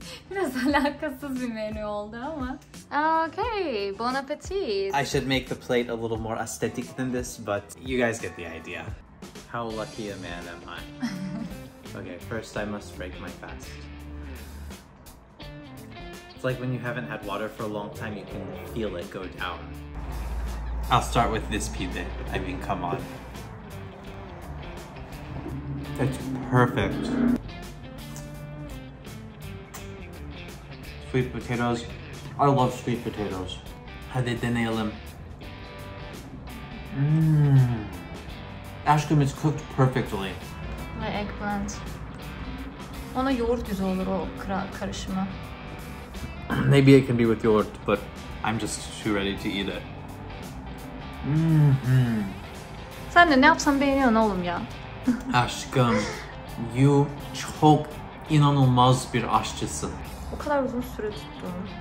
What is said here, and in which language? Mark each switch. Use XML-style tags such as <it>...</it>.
<tr>Biraz alakasız bir menü oldu ama.</tr> <en>Okay, bon appetit. I should make the plate a little more aesthetic than this, but you guys get the idea. How lucky a man am I? Okay, first I must break my fast. It's like when you haven't had water for a long time, you can feel it go down. I'll start with this pide. I mean, come on. It's perfect. Sweet potatoes. I love sweet potatoes.</en> <tr>Hadi deneyelim. Mmm.</tr> <en>Aşkım, it's cooked perfectly. My eggplant.</en> <tr>Ona yoğurt güzel olur o karışımı.</tr> <en>Maybe it can be with yoğurt, but I'm just too ready to eat it. Mm-hmm.</en> <tr>Sen de ne yapsam beğeniyorsun oğlum ya. Aşkım,</tr> <en>you</en> <tr>çok inanılmaz bir aşçısın. O kadar uzun süre tuttum.</tr>